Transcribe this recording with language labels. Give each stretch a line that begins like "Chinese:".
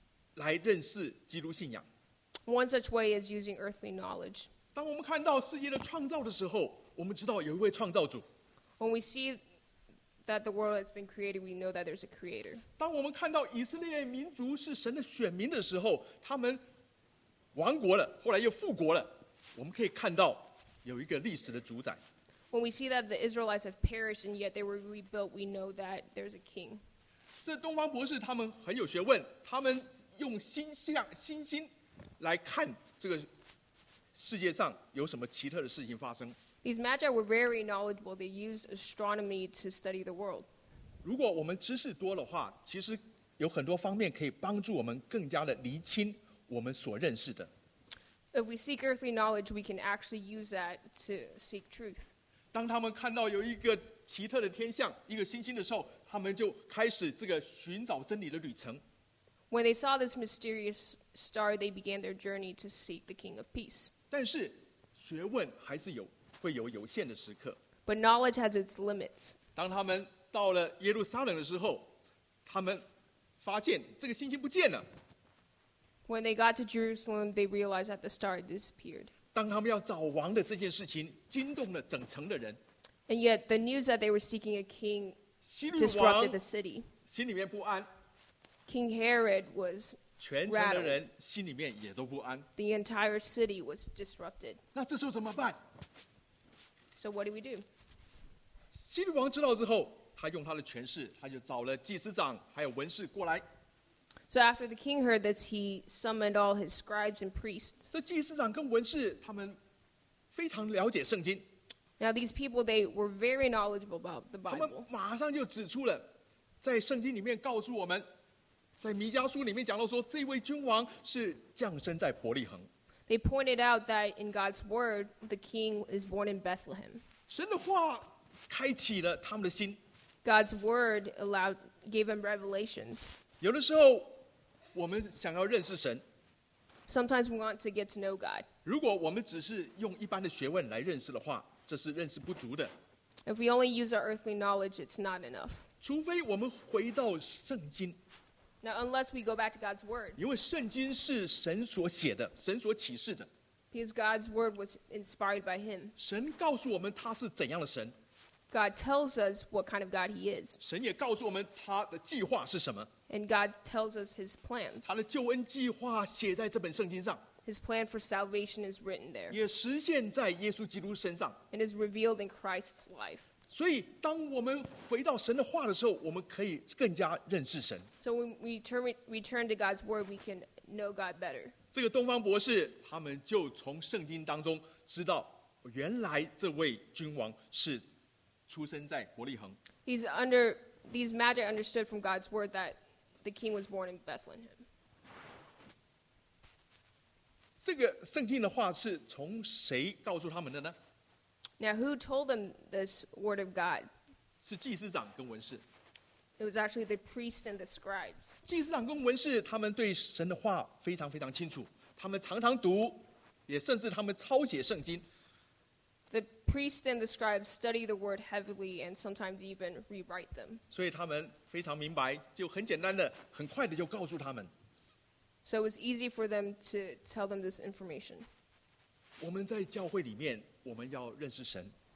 Chinese: 我们可以用很多世上的学问来帮助我们来认识基督信仰。
English: One such way is using earthly knowledge.
Chinese: 当我们看到世界的创造的时候， 我们知道有一位创造主。
English: When we see that the world has been created, we know that there's a creator.
Chinese: 当我们看到以色列民族是神的选民的时候， 他们亡国了，后来又复国了， 我们可以看到有一个历史的主宰。
English: When we see that the Israelites have perished and yet they were rebuilt, we know that there's a king.
Chinese: 这东方博士他们很有学问， 他们用星象、星星来看这个世界上有什么奇特的事情发生。
English: These magi were very knowledgeable. They used astronomy to study the world.
Chinese: 如果我们知识多的话， 其实有很多方面可以帮助我们更加的厘清我们所认识的。
English: If we seek earthly knowledge, we can actually use that to seek truth.
Chinese: 当他们看到有一个奇特的天象， 一个星星的时候， 他们就开始这个寻找真理的旅程。
English: When they saw this mysterious star, they began their journey to seek the King of Peace.
Chinese: 但是学问还是有， 会有限的时刻。
English: But knowledge has its limits.
Chinese: 当他们到了耶路撒冷的时候， 他们发现这个星星不见了。
English: When they got to Jerusalem, they realized that the star disappeared.
Chinese: 当他们要找王的这件事情惊动了整城的人。
English: And yet the news that they were seeking a king disrupted the city.
Chinese: 心里面不安。
English: King Herod was rattled.
Chinese: 全城的人心里面也都不安。
English: The entire city was disrupted.
Chinese: 那这时候怎么办？
English: So what do we do?
Chinese: 希律王知道之后， 他用他的权势， 他就找了祭司长， 还有文士过来。
English: So after the king heard this, he summoned all his scribes and priests.
Chinese: 这祭司长跟文士， 他们非常了解圣经。
English: Now these people, they were very knowledgeable about the Bible.
Chinese: 他们马上就指出了， 在圣经里面告诉我们， 在弥迦书里面讲到说， 这位君王是降生在伯利恒。
English: They pointed out that in God's word, the king is born in Bethlehem.
Chinese: 神的话开启了他们的心。
English: God's word allowed, gave them revelations.
Chinese: 有的时候我们想要认识神。
English: Sometimes we want to get to know God.
Chinese: 如果我们只是用一般的学问来认识的话， 这是认识不足的。
English: If we only use our earthly knowledge, it's not enough.
Chinese: 除非我们回到圣经。
English: Now, unless we go back to God's word.
Chinese: 因为圣经是神所写的， 神所启示的。
English: Because God's word was inspired by him.
Chinese: 神告诉我们他是怎样的神。
English: God tells us what kind of God he is.
Chinese: 神也告诉我们他的计划是什么。
English: And God tells us his plans.
Chinese: 他的救恩计划写在这本圣经上。
English: His plan for salvation is written there.
Chinese: 也实现在耶稣基督身上。
English: And is revealed in Christ's life.
Chinese: 所以当我们回到神的话的时候， 我们可以更加认识神。
English: So when we return to God's word, we can know God better.
Chinese: 这个东方博士， 他们就从圣经当中 知道原来这位君王是出生在伯利恒。
English: These magi understood from God's word that the king was born in Bethlehem.
Chinese: 这个圣经的话是从谁告诉他们的呢？
English: Now, who told them this word of God?
Chinese: 是祭司长跟文士。
English: It was actually the priests and the scribes.
Chinese: 祭司长跟文士，他们对神的话非常非常清楚，他们常常读，也甚至他们抄写圣经。
English: The priests and the scribes study the word heavily and sometimes even rewrite them.
Chinese: 所以他们非常明白，就很简单的，很快的就告诉他们。
English: So it was easy for them to tell them this information.
Chinese: 我们在教会里面，我们要认识神。